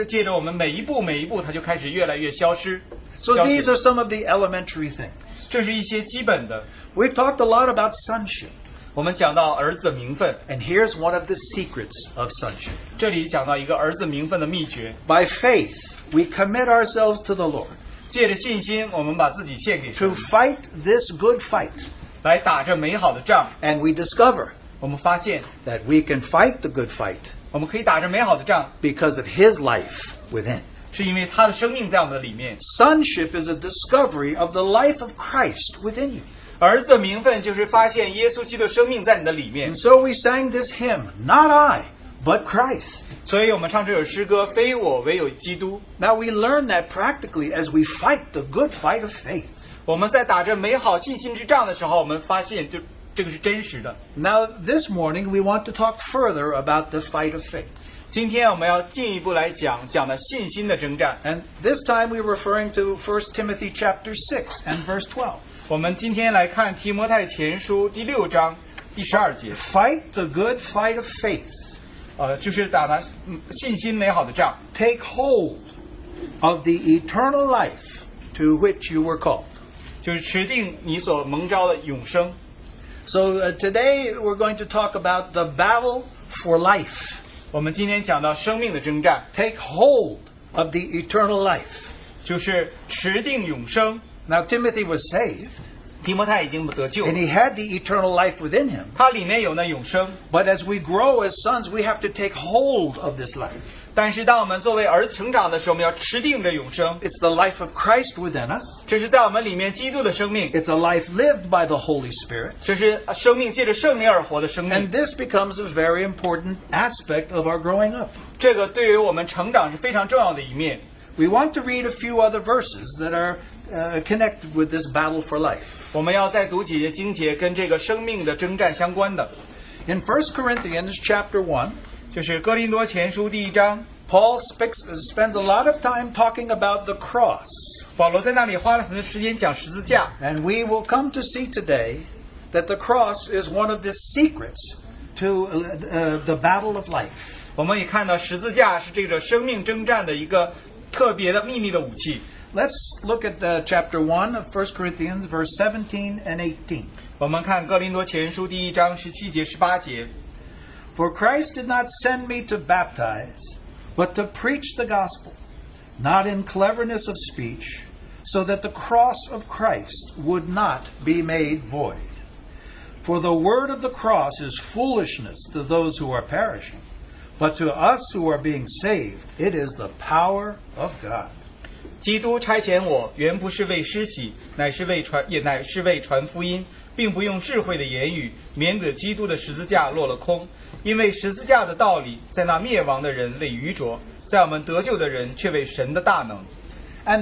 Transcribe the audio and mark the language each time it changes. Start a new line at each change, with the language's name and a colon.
Chinese: 罪在我们身上的能力就是借着我们每一步每一步它就开始越来越消失。
English: So these are some of the elementary things.
Chinese: 这是一些基本的。
English: We've talked a lot about sonship.
Chinese: 我们讲到儿子的名分。
English: And here's one of the secrets of sonship.
Chinese: 这里讲到一个儿子名分的秘诀。
English: By faith, we commit ourselves to the Lord.
Chinese: 借着信心我们把自己献给神。
English: To fight this good fight.
Chinese: 来打着美好的仗。
English: And we discover,
Chinese: 我们发现,
English: that we can fight the good fight,
Chinese: 我们可以打着美好的仗,
English: because of his life within.
Chinese: 是因为他的生命在我们的里面。
English: Sonship is a discovery of the life of Christ within you.
Chinese: 儿子的名分就是发现耶稣基督生命在你的里面。
English: And so we sang this hymn, not I, but Christ.
Chinese: 所以我们唱这首诗歌, 非我唯有基督。
English: Now we learn that practically as we fight the good fight of faith.
Chinese: 我们在打着美好信心之仗的时候, 我们发现这个是真实的。
English: Now this morning we want to talk further about the fight of faith.
Chinese: 今天我们要进一步来讲,
English: and this time we're referring to 1 Timothy chapter 6 and verse 12.
Chinese: 我们今天来看提摩太前书第六章第十二节。
English: Fight the good fight of faith.
Chinese: 就是打他信心美好的仗。
English: Take hold of the eternal life to which you were called.
Chinese: 就是持定你所蒙召的永生。
English: So today we're going to talk about the battle for life.
Chinese: 我们今天讲到生命的征战。
English: Take hold of the eternal life.
Chinese: 就是持定永生。
English: Now Timothy was saved.
Chinese: 提摩太已经得救,
English: and he had the eternal life within him.
Chinese: 他里面有那永生,
English: but as we grow as sons, we have to take hold of this life.
Chinese: 但是当我们作为儿子成长的时候, 我们要持定着永生,
English: it's the life of Christ within us.
Chinese: 这是在我们里面基督的生命,
English: it's a life lived by the Holy Spirit.
Chinese: 这是生命借着圣灵而活的生命,
English: and this becomes a very important aspect of our growing up.
Chinese: 这个对于我们成长是非常重要的一面。
English: We want to read a few other verses that are connected with this battle for life.
Chinese: 我们要再读几节经节跟这个生命的征战相关的。
English: In 1 Corinthians chapter 1,
Chinese: 就是哥林多前书第一章,
English: Paul spends a lot of time talking about the cross.
Chinese: 保罗在那里花了很多时间讲十字架。
English: And we will come to see today that the cross is one of the secrets to the battle of life.
Chinese: 我们也看到十字架是这个生命征战的一个特别的秘密的武器。
English: Let's look at the chapter 1 of 1 Corinthians, verse 17 and 18.
Chinese: 我们看哥林多前书第一章17节18节。
English: For Christ did not send me to baptize, but to preach the gospel, not in cleverness of speech, so that the cross of Christ would not be made void. For the word of the cross is foolishness to those who are perishing, but to us who are being saved, it is the power of God.
Chinese: 基督差遣我，原不是为施洗，乃是为传，也乃是为传福音。并不用智慧的言语，免得基督的十字架落了空，因为十字架的道理在那灭亡的人里愚拙，在我们得救的人却为神的大能。And